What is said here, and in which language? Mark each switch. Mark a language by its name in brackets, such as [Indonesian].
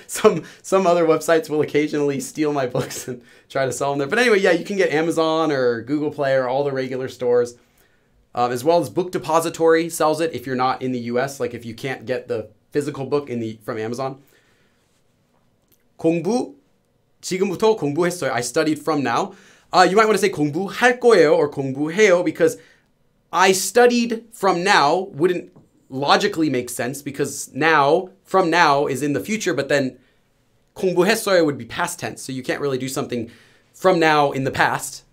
[English] some other websites will occasionally steal my books and try to sell them there. But anyway, yeah, you can get Amazon or Google Play or all the regular stores, as well as Book Depository sells it if you're not in the US, like if you can't get the physical book from Amazon. [Korean] 공부, 지금부터 공부했어요. [English] I studied from now. You might want to say 공부할 거예요 or 공부해요, because I studied from now wouldn't logically make sense, because now, from now, is in the future, but then 공부했어요 would be past tense, so you can't really do something from now in the past.